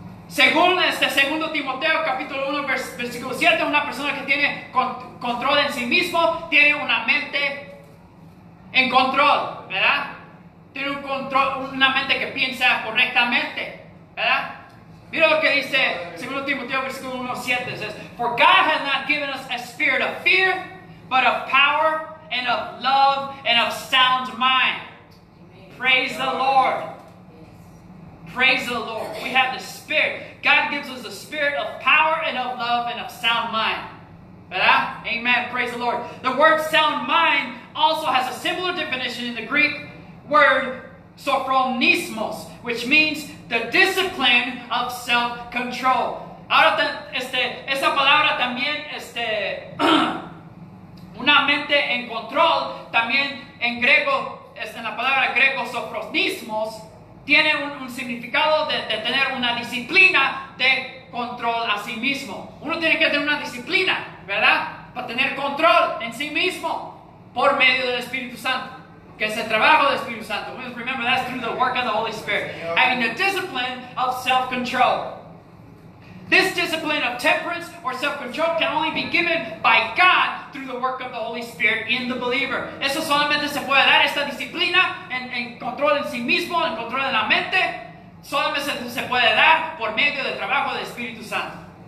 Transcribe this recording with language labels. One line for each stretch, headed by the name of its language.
Spanish: Según 2 Timoteo capítulo 1, versículo 7, una persona que tiene control en sí mismo tiene una mente en control, ¿verdad? Tiene un control, una mente que piensa correctamente, ¿verdad? Mira lo que dice 2 Timoteo versículo 1, 7.
English: Says, for God has not given us a spirit of fear, but of power and of love and of sound mind. Praise the Lord. Praise the Lord. We have the Spirit. God gives us a spirit of power and of love and of sound mind.
Spanish: ¿Verdad?
English: Amen. Praise the Lord. The word sound mind also has a similar definition in the Greek word sophronismos, which means the discipline of self-control.
Spanish: Ahora, esa palabra también, una mente en control, también en griego, en la palabra griego sophronismos, tiene un significado de tener una disciplina de control a sí mismo. Uno tiene que tener una disciplina, ¿verdad? Para tener control en sí mismo por medio del Espíritu Santo. Que es el trabajo del Espíritu Santo.
English: Remember, that's through the work of the Holy Spirit. Having the discipline of self-control. This discipline of temperance or self-control can only be given by God through the work of the Holy Spirit in the believer.
Spanish: Eso solamente se puede dar, esta disciplina, en control en sí mismo, en control de la mente, solamente se puede dar por medio del trabajo del Espíritu Santo.